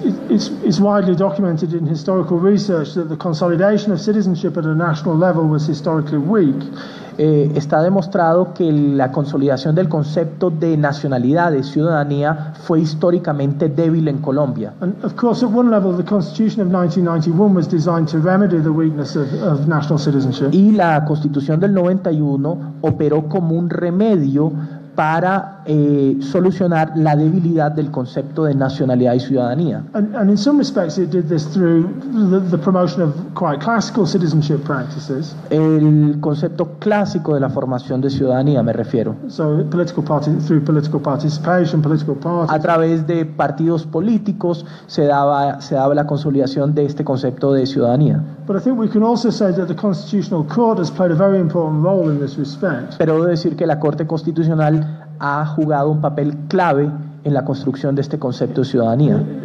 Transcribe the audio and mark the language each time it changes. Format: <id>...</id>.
<en>It's widely documented in historical research that the consolidation of citizenship at a national level was historically weak.</en> <es>Está demostrado que la consolidación del concepto de nacionalidad, de ciudadanía, fue históricamente débil en Colombia.</es> <en>And of course, at one level, the Constitution of 1991 was designed to remedy the weakness of national citizenship.</en> <es>Y la Constitución del 91 operó como un remedio para solucionar la debilidad del concepto de nacionalidad y ciudadanía.</es> <en>And in some respects it did this through the promotion of quite classical citizenship practices.</en> <es>El concepto clásico de la formación de ciudadanía, me refiero.</es> <en>So political party, through political participation, political parties.</en> <es>A través de partidos políticos se daba la consolidación de este concepto de ciudadanía.</es> <en>But I think we can also say that the Constitutional Court has played a very important role in this respect.</en> <es>Pero debo decir que la Corte Constitucional ha jugado un papel clave en la construcción de este concepto de ciudadanía.</es>